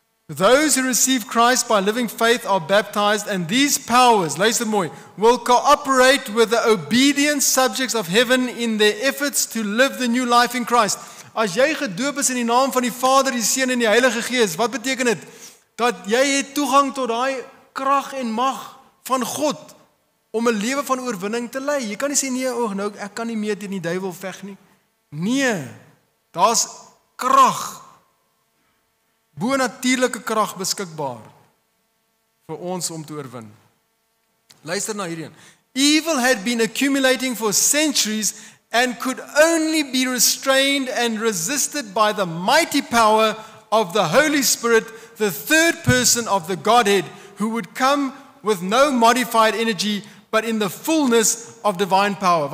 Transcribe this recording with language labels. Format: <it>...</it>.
<en>Those who receive Christ by living faith are baptized, and these powers,</en> <af>luister mooi,</af> <en>will cooperate with the obedient subjects of heaven in their efforts to live the new life in Christ.</en> <af>As jy gedoop is in die naam van die Vader, die Seun en die Heilige Gees, wat beteken dit? Dat jy het toegang tot die krag en mag van God om 'n lewe van oorwinning te lei. Jy kan nie sê, ek kan nie meer teen die duivel veg nie. Nee, daar is krag, bonatuurlike krag beskikbaar vir ons om te oorwin. Luister na hierdie.</af> <en>Evil had been accumulating for centuries and could only be restrained and resisted by the mighty power of the Holy Spirit, the third person of the Godhead, who would come with no modified energy, but in the fullness of divine power.</en>